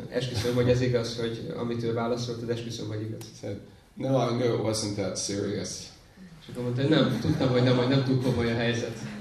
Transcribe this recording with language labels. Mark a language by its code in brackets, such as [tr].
[hu] Esküszöm, hogy ez igaz, hogy amit ő válaszolt, de esküszöm, hogy igaz. [en] Said, no, I knew it wasn't that serious. [hu] És akkor mondta, nem, tudtam, hogy nem, túl komoly a helyzet.